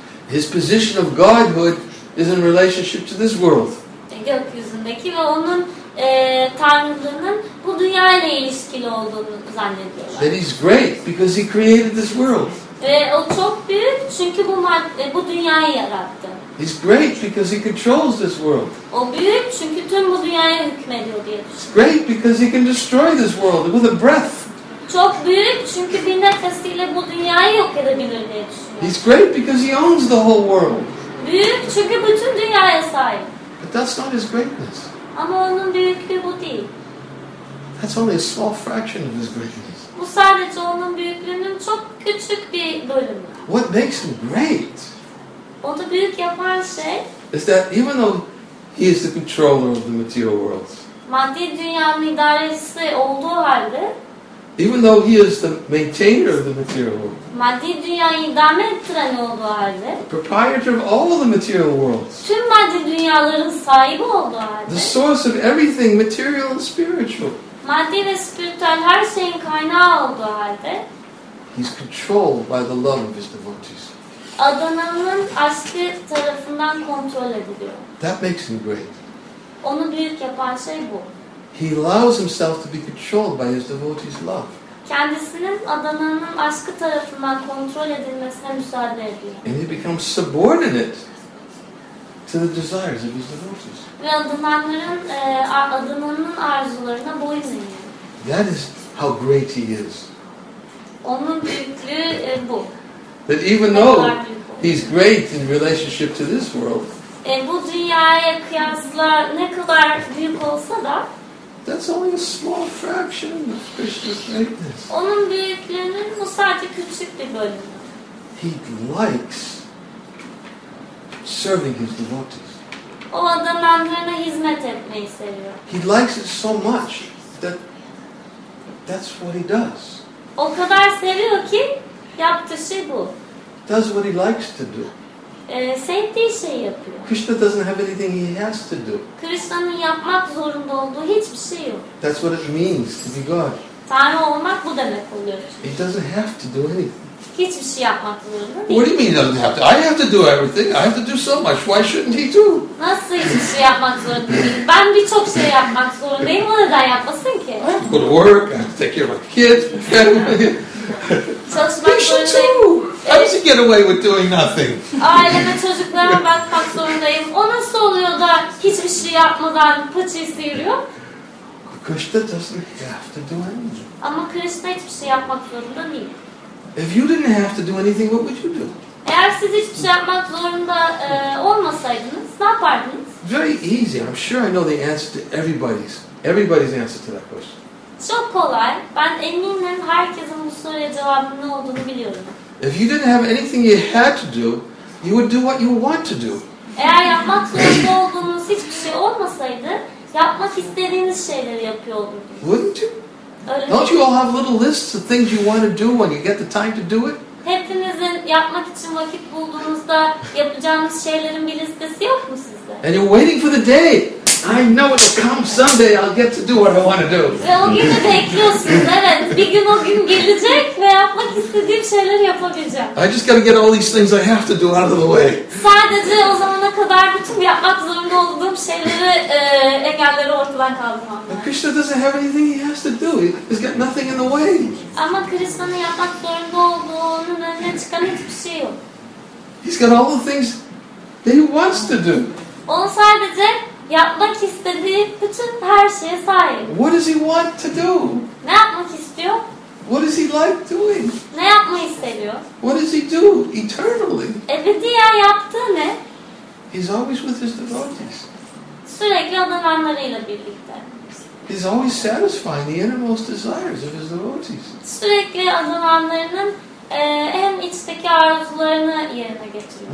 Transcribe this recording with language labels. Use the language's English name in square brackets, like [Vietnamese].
[English] His position of godhood is in relationship to this world. [Turkish] Gökyüzündeki ve onun tanrılığının bu dünya ile ilişkili olduğunu zannediyorlar. [English] That he's great because he created this world. [Turkish] O çok büyük çünkü bu dünyayı yarattı. [English] He's great because he controls this world. [Turkish] O büyük çünkü tüm bu dünyaya hükmediyor diye. [English] He's great because he can destroy this world with a breath. [Turkish] çok büyük çünkü bir nefesiyle bu dünyayı yok edebilir diye düşünüyorum. [English] He's great because he owns the whole world. [Turkish] Büyük çünkü bütün dünyaya sahip. [English] But that's not his greatness. [Turkish] Ama onun büyüklüğü bu değil. [English] That's only a small fraction of his greatness. [Turkish] Bu sadece onun büyüklüğünün çok küçük bir bölümü. [English] What makes him great? [Turkish] Onu büyük yapan şey? [English] Is that even though he is the controller of the material worlds? [Turkish] Maddi dünyanın idarecisi olduğu halde. [English] Even though he is the maintainer of the material world. [Turkish] Maddi dünyayı idame ettiren olduğu halde. [English] The proprietor of all of the material worlds. [Turkish] Tüm maddi dünyaların sahibi olduğu halde. [English] The source of everything material and spiritual. [Turkish] Maddi ve spiritüel her şeyin kaynağı olduğu halde. [English] He's controlled by the love of his devotees. [Turkish] Adana'nın aşkı tarafından kontrol ediliyor. [English] That makes him great. [Turkish] Onu büyük yapan şey bu. [English] He allows himself to be controlled by his devotees' love. [Turkish] Kendisinin adananın aşkı tarafından kontrol edilmesine müsaade ediyor. [English] And he becomes subordinate to the desires of his devotees. [Turkish] Ve adananların adananın arzularına boyun eğiyor. [English] That is how great he is. [Turkish] Onun büyüklüğü bu. [English] That even though he's great in relationship to this world. [Turkish] Bu dünyaya kıyasla ne kadar büyük olsa da. [English] That's only a small fraction of Krishna's greatness. [Turkish] Onun büyüklüğünün bu sadece küçük bir bölümü. [English] He likes serving his devotees. [Turkish] O adamlarına hizmet etmeyi seviyor. [English] He likes it so much that that's what he does. [Turkish] O kadar seviyor ki yaptığı şey bu. [English] Does what he likes to do. [Turkish] Sevdiği şeyi yapıyor. [English] Krishna doesn't have anything he has to do. [Turkish] Krishna'nın yapmak zorunda olduğu hiçbir şey yok. [English] That's what it means to be God. [Turkish] Tanrı olmak bu demek oluyor. [English] He doesn't have to do anything. [Turkish] Hiçbir şey yapmak zorunda değil. [English] What do you mean he doesn't have to? I have to do everything. I have to do so much. Why shouldn't he do? [Turkish] Nasıl hiçbir şey yapmak zorunda değil? Ben birçok şey yapmak zorundayım. O neden yapmasın ki? [English] I have to go to work. I have to take care of my kids, my family. [Turkish] Çalışmak zorundayım. [English] He should too. How does he get away with doing nothing? [Turkish] Aileme çocuklarıma bakmak zorundayım. O nasıl oluyor da hiçbir şey yapmadan paçayı sıyırıyor? [English] Krishna doesn't have to do anything. [Turkish] Ama Krishna hiçbir şey yapmak zorunda değil. [English] If you didn't have to do anything, what would you do? [Turkish] Eğer siz hiçbir şey yapmak zorunda olmasaydınız, ne yapardınız? [English] Very easy. I'm sure I know the answer to everybody's answer to that question. [Turkish] Çok kolay. Ben eminim herkesin bu soruya cevabının ne olduğunu biliyorum. [English] If you didn't have anything you had to do, you would do what you want to do. [Turkish] Eğer yapmak zorunda olduğunuz hiçbir şey olmasaydı, yapmak istediğiniz şeyleri yapıyordunuz. [English] Wouldn't you? [Turkish] Öyle [English] don't you all have little lists of things you want to do when you get the time to do it? [Turkish] Hepinizin yapmak için vakit bulduğunuzda yapacağınız şeylerin bir listesi yok mu sizde? [English] And you're waiting for the day. I know it will come someday. I'll get to do what I want to do. [Turkish] Ve o günü bekliyorsunuz, evet. Bir gün o gün gelecek ve yapmak istediğim şeyleri yapabileceğim. [English] I just got to get all these things I have to do out of the way. [Turkish] Sadece o zamana kadar bütün yapmak zorunda olduğum şeyleri engelleri ortadan kaldırmam. [English] Krishna doesn't have anything he has to do. He's got nothing in the way. [Turkish] Ama Krishna'nın yapmak zorunda olduğunun önüne çıkan hiçbir şey yok. [English] He's got all the things that he wants to do. [Turkish] O sadece yapmak istediği bütün her şeye sahip. [English] What does he want to do? [Turkish] Ne yapmak istiyor? [English] What does he like doing? [Turkish] Ne yapmayı seviyor? [English] What does he do eternally? [Turkish] Ebedi ya yaptığı ne? [English] He's always with his devotees. [Turkish] Sürekli adananlarıyla birlikte. [English] He's always satisfying the innermost desires of his devotees. [Turkish] Sürekli adananlarının hem içteki arzularını yerine getiriyor.